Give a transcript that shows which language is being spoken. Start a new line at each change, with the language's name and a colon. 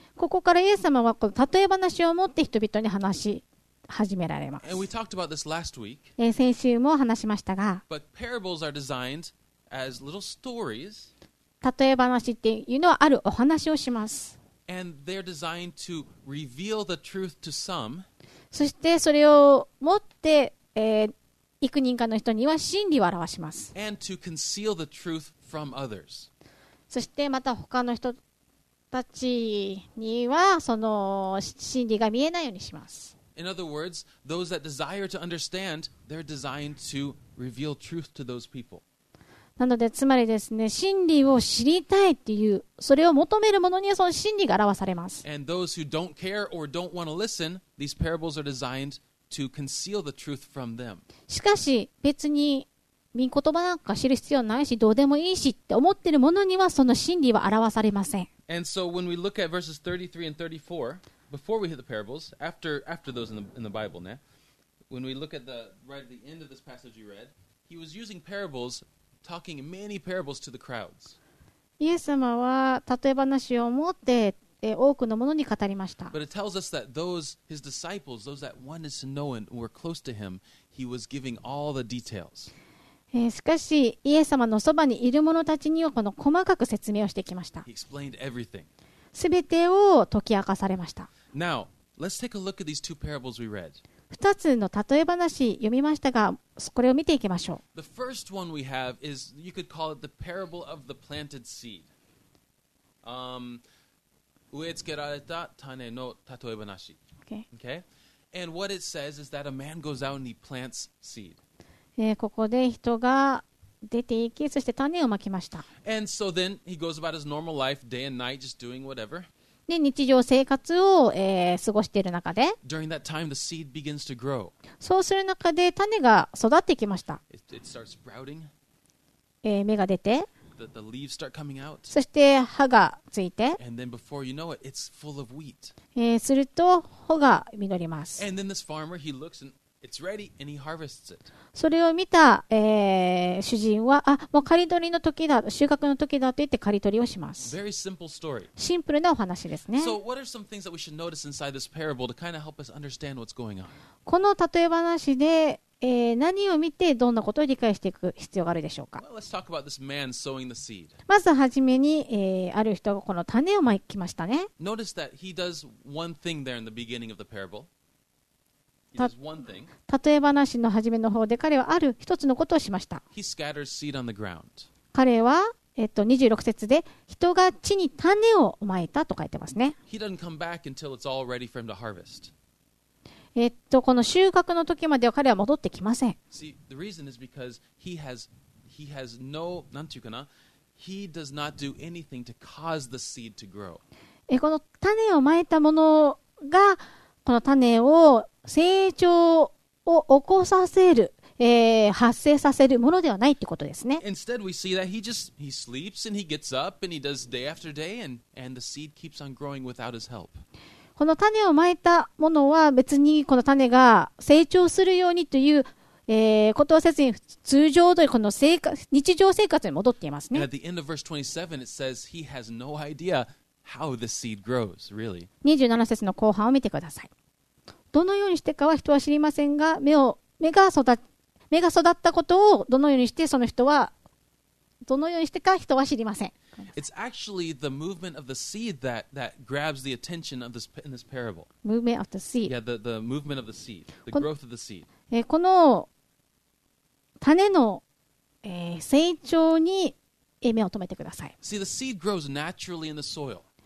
Japanese: ここからイエス様はこの例え話を持って人々に話し始められます。
English: And we talked about this last week.
Japanese: 先週も話しましたが、
English: But parables are designed as little stories.
Japanese: 例え話っていうのはあるお話をします。
English: And they're designed to reveal the truth to some.
Japanese: そしてそれを持って、幾人かの人には真理を表します。
English: And to conceal the truth from others.
Japanese: そしてまた他の人たちにはその真理が見えないようにします。
English: In other words, those that desire to understand, they're designed to reveal truth to those people.
Japanese: なのでつまりですね、真理を知りたいっていう、それを求める者にはその真理が表されます。
English: And those who don't care or don't want to listen, these parables are designed to conceal the truth from them.
Japanese: しかし別に御言葉なんか知る必要ないし、どうでもいいしって思ってる者にはその真理は表されません。
English: And so when we look at verses 33 and 34,Before we hit the parables, after those in the Bible, ne? When we look at the right at the end of this passage you read, he was using parables, talking many parables to the crowds.
Japanese: イエス様は例え話を持って多くの者に語りました。
English: But it tells us that those his disciples, those that wanted to know and were close to him, he was giving all the details.
Japanese: しかしイエス様のそばにいる者たちにはこの細かく説明をしてきました。
English: He explained everything.
Japanese: すべてを解き明かされました。
English: Now, let's take a look at these two parables we read.
Japanese: 2つの例え話読みましたが、これを見ていきましょう。
English: The first one we have is, you could call it the parable of the planted seed.
Japanese: 植え付けられた種の例え話。
English: Okay. Okay? And what it says is that a man goes out and he plants seed.
Japanese: ここで人が出て行き、そして種をまきました。
English: And so then he goes about his normal life, day and night, just doing whatever.
Japanese: で、日常生活を、過ごしている中で、
English: During that time, the seed begins to grow.
Japanese: そうする中で種が育ってきました。
English: It starts sprouting.
Japanese: 芽が出て、
English: The leaves start coming out.
Japanese: そして葉がついて、
English: And then before you know it, it's full of wheat.
Japanese: すると穂が実ります。
English: And then this farmer, he looks andIt's ready, and he harvests it.
Japanese: それを見た、主人は、あ、もう刈り取りの時だ、収穫の時だと言って刈り取りをします。
English: Very simple story.
Japanese: シンプルなお話ですね。
English: So what are some things that we should notice inside this parable to kind of help us understand what's going on?
Japanese: この例え話で、何を見てどんなことを理解していく必要があるでしょうか。
English: Well, let's talk about this man sowing the seed.
Japanese: まずはじめに、ある人がこの種をまきましたね。
English: Notice that he does one thing there in the beginning of the parable.
Japanese: 例え話の初めの方で彼はある一つのことをしました。
English: He scatters seed on the ground.
Japanese: 彼は、26節で人が地に種をまいたと書いてますね。
English: He doesn't come back until it's all ready for him to harvest.
Japanese: この収穫の時までは彼は戻ってきません。
English: See, the reason is because he has no,
Japanese: なんていうかな
English: he does not do anything to cause the seed to grow.
Japanese: この種をまいたものがこの種を成長を起こさせる、発生させるものではないということですね。
English: Instead, we see that he sleeps and he gets up and he does day after day and the seed keeps on growing without his help.
Japanese: この種をまいたものは別にこの種が成長するようにという、ことはせずに通常通りこの日常生活に戻っていますね。
English: And at the end of verse 27, it says he has no idea how the seed grows, really.
Japanese: 27節の後半を見てください。どのようにしてかは人は知りませんが、目が育ったことをどのようにしてその人はどのようにしてか人は知りません。
English: It's actually the movement of the seed that grabs the attention of this in this parable. Movement of the seed. Yeah, the movement of the seed, the growth of the seed.
Japanese: この種の、成長に目を止めてください。
English: See, the seed grows naturally in the soil.